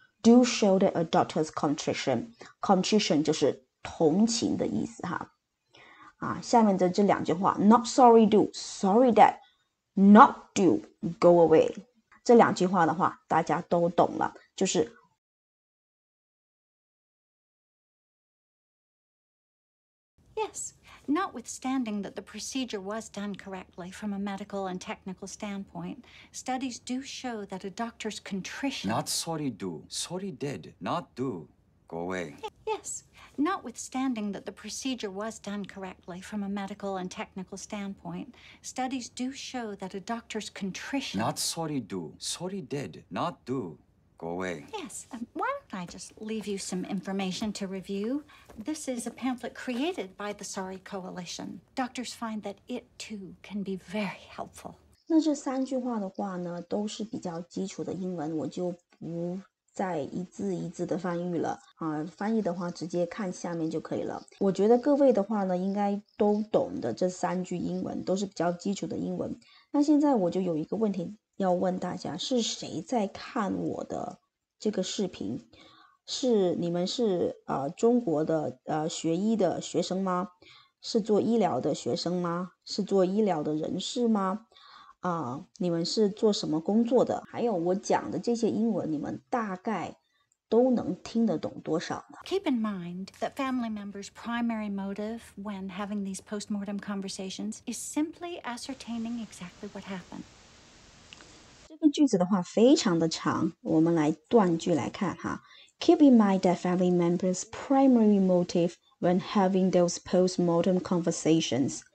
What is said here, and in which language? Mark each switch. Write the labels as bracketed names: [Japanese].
[English] Do show that a doctor's contrition. Contrition [Chinese] 就是同情的意思哈。下面的这两句话 [English] ,not sorry do, sorry that, not do, go away. [Chinese] 这两句话的话大家都懂了，就是 [English] Yes, notwithstanding that the procedure was done correctly from a medical and technical standpoint, studies do show that a doctor's contrition... Not sorry do, sorry did, not do, go away. Yes, notwithstanding that the procedure was done correctly from a medical and technical standpoint, studies do show that a doctor's contrition... Not sorry do, sorry did, not do, go away. Yes, why don't I just leave you some information to review? This is a pamphlet created by the Sorry Coalition. Doctors find that it too can be very helpful. [Chinese] 那这三句话的话呢，都是比较基础的英文，我就不再一字一字的翻译了。翻译的话直接看下面就可以了。我觉得各位的话呢，应该都懂的这三句英文，都是比较基础的英文。那现在我就有一个问题要问大家，是谁在看我的这个视频？是你们是中国的学医的学生吗？是做医疗的学生吗？是做医疗的人士吗？你们是做什么工作的？还有我讲的这些英文，你们大概都能听得懂多少呢？ [English] Keep in mind that family members' primary motive when having these postmortem conversations is simply ascertaining exactly what happened. [Chinese] 这个句子的话非常的长，我们来断句来看哈。 [English] Keep in mind that family members' primary motive when having those post-mortem conversations.